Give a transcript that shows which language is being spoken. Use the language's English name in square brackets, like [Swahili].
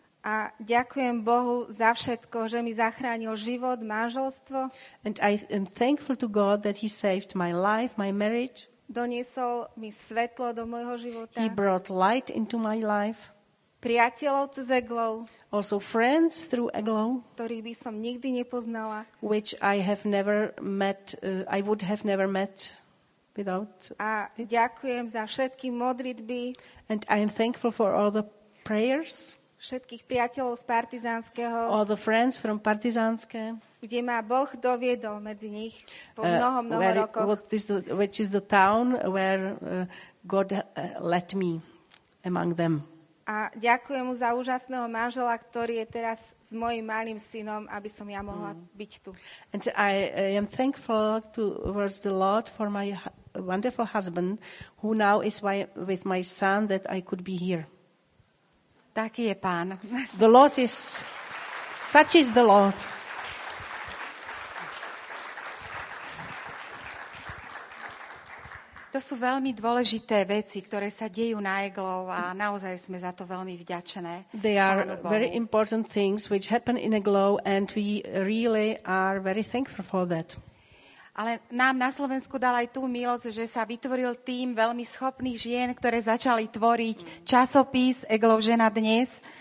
[Slovak] A ďakujem Bohu za všetko, že mi zachránil život, manželstvo. [English] And I am thankful to God that he saved my life, my marriage. [Slovak] Doniesol mi svetlo do môjho života. [English] He brought light into my life. [Slovak] Priateľov cez Eglov. [English] Also friends through Eglov. [Slovak] Ktorých by som nikdy nepoznala. [English] Which I have never met, I would have never met without it. [Slovak] A ďakujem za všetky modlitby. [English] And I am thankful for all the prayers. [Slovak] Všetkých priateľov z Partizánskeho. [English] All the friends from Partizánske. [Slovak] Kde ma Boh doviedol medzi nich po mnoho rokoch. [English] Which is the town where God led me among them. [Slovak] A ďakujem mu za úžasného manžela, ktorý je teraz s mojim malým synom, aby som ja mohla byť tu. [English] And I am thankful towards the Lord for my wonderful husband, who now is with my son, that I could be here. [Slovak] Taký je Pán. [English] The Lord is, such is the Lord. [Slovak] To sú veľmi dôležité veci, ktoré sa dejú na Eglov a naozaj sme za to veľmi vďačné. [English] They are very important things which happen in Eglov and we really are very thankful for that. [Slovak] Ale nám na Slovensku dal aj tú milosť, že sa vytvoril tým veľmi schopných žien, ktoré začali tvoriť časopis Eglov žena dnes.